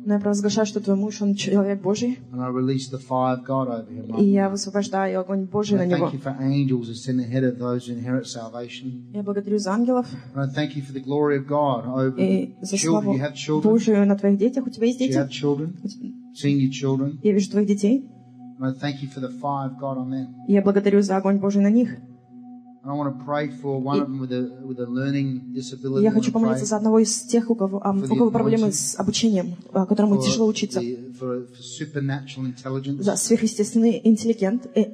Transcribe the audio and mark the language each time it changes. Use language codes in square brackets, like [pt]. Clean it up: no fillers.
[ru] Но я провозглашаю, что твой муж, он человек Божий. [en] And I release the fire of God over him. [ru] И я высвобождаю огонь Божий на него. [en] I thank you for angels that send ahead of those who inherit salvation. [ru] Я благодарю за ангелов. [en] And I thank you for the glory of God over children. You have children. [ru] Божию на твоих детях. У тебя есть дети? [en] You have children. Seeing your children. [ru] Я вижу твоих детей. [en] And I thank you for the fire of God on them. [ru] Я благодарю за огонь Божий на них. [en] And I want to pray for one of them with a learning disability. [ru] Я хочу помолиться за одного из тех, у кого проблемы с обучением, которому тяжело учиться. [en] For supernatural intelligence. [ru] За сверхъестественный интеллект.